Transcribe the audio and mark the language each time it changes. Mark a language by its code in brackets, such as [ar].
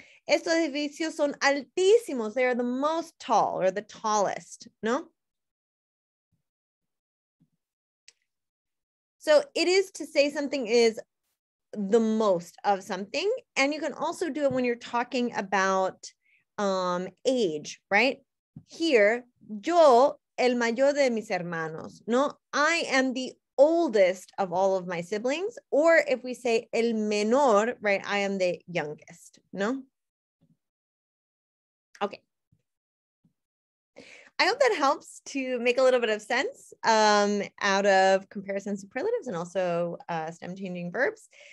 [es] Estos edificios son altísimos. [en] They are the most tall or the tallest, ¿no? So it is to say something is the most of something. And you can also do it when you're talking about age, right? [es] Here, yo, el mayor de mis hermanos, ¿no? [en] I am the oldest of all of my siblings. Or if we say [es] el menor, [en] right? I am the youngest, ¿no? Okay. I hope that helps to make a little bit of sense out of comparison superlatives and also stem changing verbs.